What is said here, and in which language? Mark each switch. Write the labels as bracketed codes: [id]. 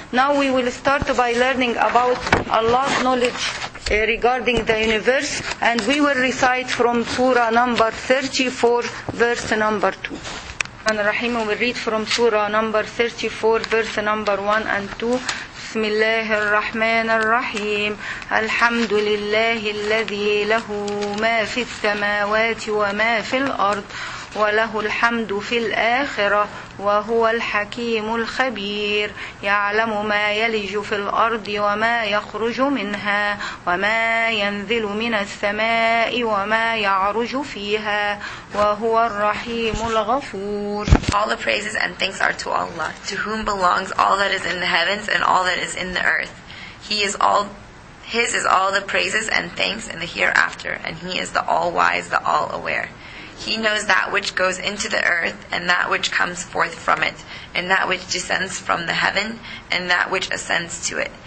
[en] Now we will start by learning about Allah's knowledge regarding the universe, and we will recite from Surah number 34, verse number 2. And Rahim will read from Surah number 34, verse number 1 and 2. [ar] بسم الله الرحمن الرحيم الحمد لله الذي له ما في السماوات وما في الأرض وله الحمد في الآخرة وهو الحكيم الخبير يعلم ما يلج في الأرض وما يخرج منها وما ينزل من السماء وما يعرج فيها وهو الرحيم الغفور. [en] All the praises and thanks are to Allah, to whom belongs all that is in the heavens and all that is in the earth. His is all the praises and thanks in the hereafter, and He is the all-wise, the all-aware. He knows that which goes into the earth, and that which comes forth from it, and that which descends from the heaven, and that which ascends to it.